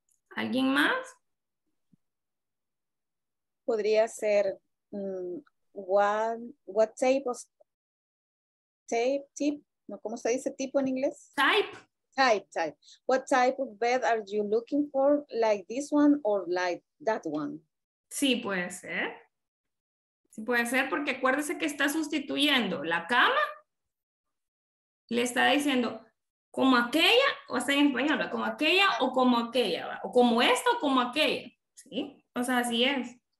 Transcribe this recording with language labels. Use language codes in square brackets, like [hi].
[es] ¿Alguien más? Podría ser ¿cómo se dice tipo en inglés? [en] Type. What type of bed are you looking for? Like this one or like that one? [es] Sí, puede ser. Sí, puede ser, porque acuérdese que está sustituyendo la cama, le está diciendo como aquella, o sea, en español, como aquella o como aquella, o como esta o como aquella, ¿sí? O sea, así es.